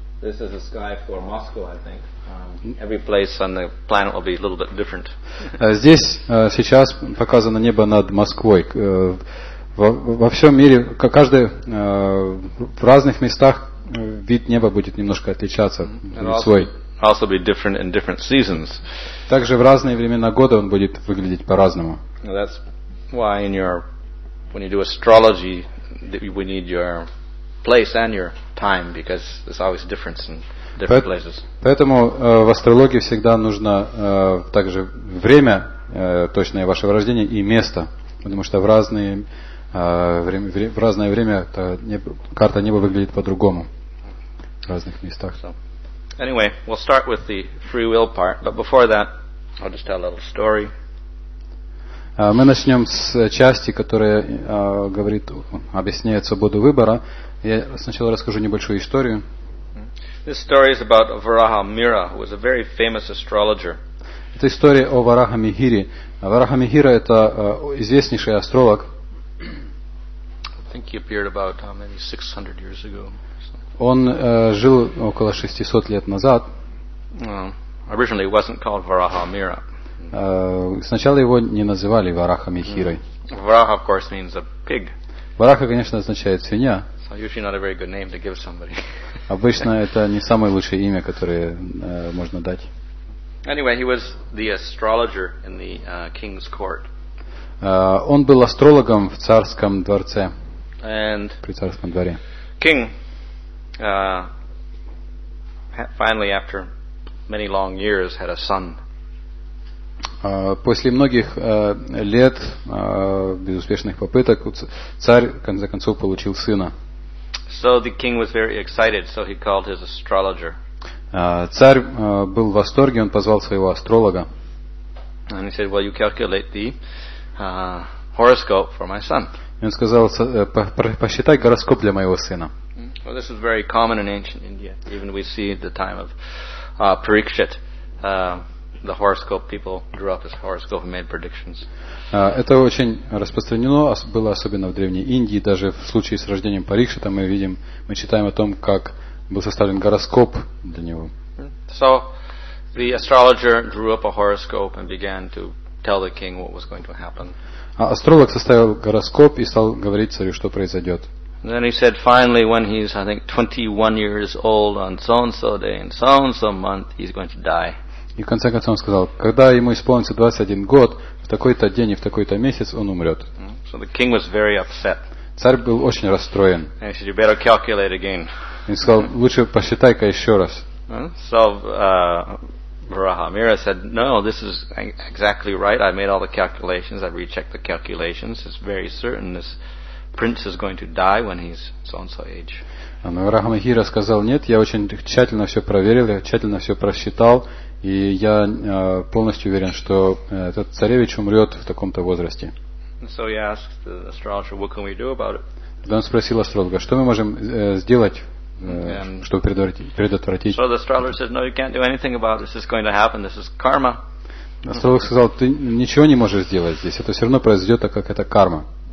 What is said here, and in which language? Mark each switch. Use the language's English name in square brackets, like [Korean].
[English] This is the sky for Moscow, I think. Every place on the planet will be a little bit different. [Russian] Здесь сейчас показано небо над Москвой. Во всем мире, каждый в разных местах вид неба будет немножко отличаться, свой. [English] Also be different in different seasons. [Russian] Также в разные времена года он будет выглядеть по-разному. [English] That's why in your when you do astrology, we need your place and your time because there's always difference in different places. [Russian] Поэтому в астрологии всегда нужно также время, точное вашего рождения и место, потому что в разные в разное время карта неба выглядит по-другому в разных местах. [English] Anyway, we'll start with the free will part, but before that, I'll just tell a little story. [Russian] Мы начнем с части, которая говорит, объясняет свободу выбора. Я сначала расскажу небольшую историю. [English] This story is about Varaha Mihira, who was a very famous astrologer. [Russian] Это история о Вараха Михире. Вараха Михира – это известнейший астролог. [English] I think he appeared about maybe 600 years ago. [Russian] Он жил около 600 лет назад. [English] Originally, it wasn't called Varaha Mihira. [Russian] Сначала его не называли Вараха Михирой. [English] Varaha, of course, means a pig. [Russian] Вараха, конечно, означает свинья. [English] So usually not a very good name to give somebody. [Russian] Обычно это не самое лучшее имя, которое можно дать. [English] Anyway, he was the astrologer in the king's court. [Russian] Он был астрологом в царском дворце. [English] And [Russian] при царском дворе. [English] King. Finally, after many long years, had a son. [Russian] После многих лет безуспешных попыток царь, в конце концов, получил сына. [English] So the king was very excited. So he called his astrologer. [Russian] Царь был в восторге. Он позвал своего астролога. [English] And he said, "Well, you calculate the horoscope for my son." [Russian] Он сказал, посчитай гороскоп для моего сына. [English] Well, this is very common in ancient India. Even we see at the time of Parikshit, the horoscope people drew up this horoscope and made predictions. [Russian] Это очень распространено было особенно в древней Индии. Даже в случае с рождением Парикшита мы читаем о том, как был составлен гороскоп для него. [English] So the astrologer drew up a horoscope and began to tell the king what was going to happen. [Russian] Астролог составил гороскоп и стал говорить царю, что произойдет. [English] Then he said, finally, when he's, I think, 21 years old on so-and-so day and so-and-so month, he's going to die. [Russian] И в конце концов он сказал, когда ему исполнится 21 год, в такой-то день и в такой-то месяц он умрет. [English] So the king was very upset. [Russian] Царь был очень расстроен. [English] And he said, you better calculate again. [Russian] И сказал, лучше посчитай-ка еще раз. [English] So Varaha Mihira said, no, this is exactly right. I made all the calculations. I rechecked the calculations. It's very certain this prince is going to die when he's so and so age. [Russian] Но Вараха Мехира сказал, нет, я очень тщательно все проверил, я тщательно все просчитал, и я полностью уверен, что этот царевич умрет в таком-то возрасте. [English] So he asked the astrologer, what can we do about it? [Russian] Он спросил астролога, что мы можем сделать, чтобы предотвратить. [English] So the astrologer said, no, you can't do anything about it. This is going to happen. This is karma. [Russian] Астролог сказал, ты ничего не можешь сделать здесь. Это все равно произойдет, так как это карма.